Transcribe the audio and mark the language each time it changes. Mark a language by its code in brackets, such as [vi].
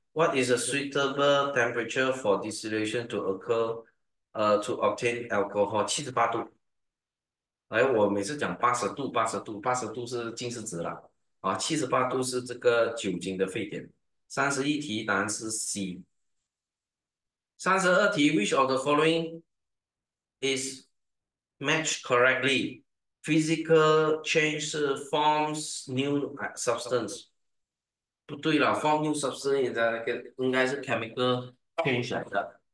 [en] What is a suitable temperature for distillation to occur? To obtain alcohol [zh] 78度。哎，我每次讲80度，80度是近视值了。啊，78度是这个酒精的沸点。 31题答案是 C。 32题， [en] Which of the following is matched correctly? Physical change forms new substance。 [zh] 不对了， [en] form new substance [zh] 应该是 [en] chemical change [zh] 来的。